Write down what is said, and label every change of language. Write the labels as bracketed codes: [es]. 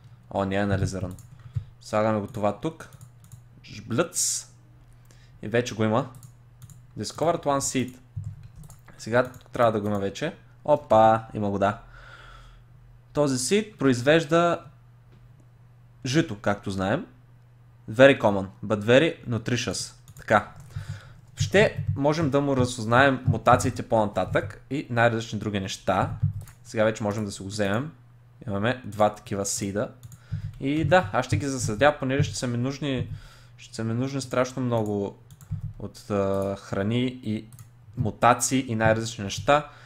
[bg] О, не е анализирано. Слагаме го това тук. Жблъц. И вече го има. [en] Discovered one seed. [bg] Сега трябва да го има вече. Опа, има го, да. Този seed произвежда жито, както знаем. [en] Very common, but very nutritious. [bg] Така. Ще можем да му разузнаем мутациите по-нататък и най-различни други неща. Сега вече можем да се го вземем. Имаме два такива сида. И да, аз ще ги засадя, понеже ще са ми нужни страшно много от храни и мутации и най-различни неща.